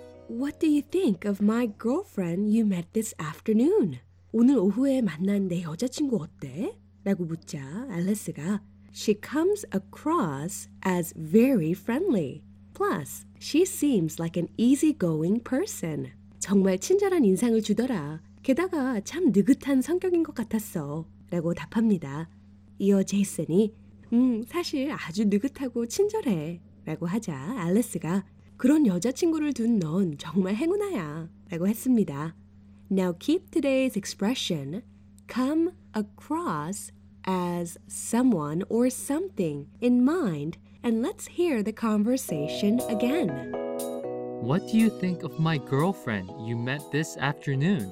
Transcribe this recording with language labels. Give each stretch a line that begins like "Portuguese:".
English: What do you think of my girlfriend you met this afternoon?
Korean: 오늘 오후에 만난 내 여자친구 어때? 라고 묻자 앨리스가
English: She comes across as very friendly. Plus, she seems like an easygoing person.
Korean: 정말 친절한 인상을 주더라. 게다가 참 느긋한 성격인 것 같았어. 라고 답합니다. 이어 제이슨이 사실 아주 느긋하고 친절해. 라고 하자 앨리스가 그런 여자친구를 둔 넌 정말 행운아야. 라고 했습니다.
English: Now keep today's expression, come across as someone or something in mind, and let's hear the conversation again. What do you think of my girlfriend you met this afternoon?